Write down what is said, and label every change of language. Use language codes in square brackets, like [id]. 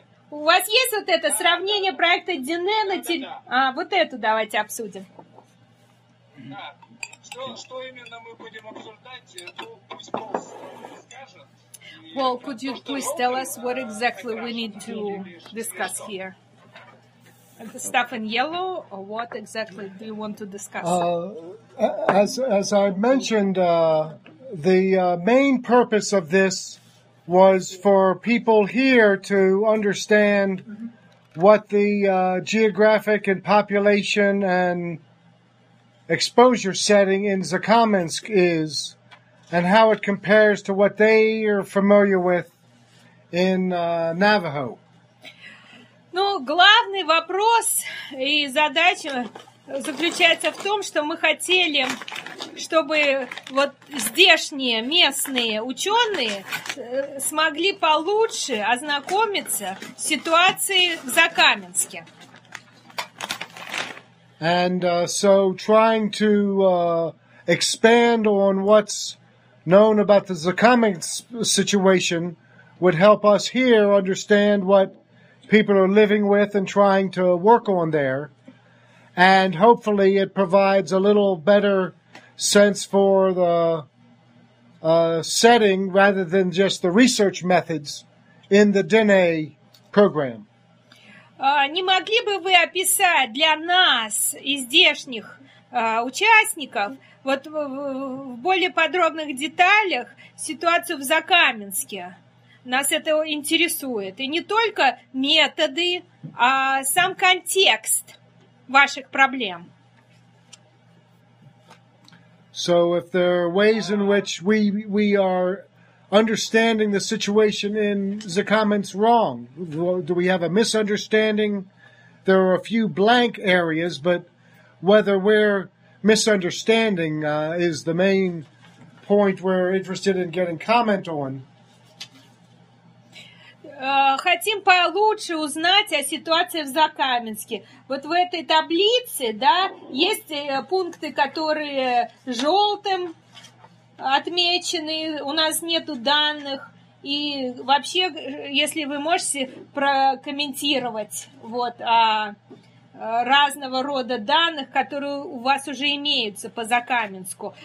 [ru] У вас есть вот это сравнение проекта Диné на территории. А, вот эту давайте обсудим. Да. Что именно мы будем обсуждать? Пусть Пол скажет. [en] Пол, could you please tell us what exactly we need to discuss here? The stuff in yellow, or what exactly do you want to discuss? As I mentioned, the main purpose of this was for people here to understand what the geographic and population and exposure setting in Zakamensk is and how it compares to what they are familiar with in Navajo. [ru] Ну, главный вопрос и задача заключается в том, что мы хотели, чтобы вот здешние местные ученые смогли получше ознакомиться с ситуацией в Закаменске. [en] And so trying to expand on what's known about the Zakamensk situation would help us here understand what people are living with and trying to work on there. And hopefully it provides a little better sense for the setting rather than just the research methods in the Diné program. [ru] Не могли бы вы описать для нас и здешних участников вот в более подробных деталях ситуацию в Закаменске? Нас это интересует. И не только методы, а сам контекст ваших проблем. [en] So if there are ways in which we are understanding the situation in Zakamensk wrong, do we have a misunderstanding? There are a few blank areas, but whether we're misunderstanding is the main point we're interested in getting comment on. [ru] Хотим получше узнать о ситуации в Закаменске. Вот в этой таблице, да, есть пункты, которые желтым отмечены, у нас нету данных. И вообще, если вы можете прокомментировать вот разного рода данных, которые у вас уже имеются по Закаменску.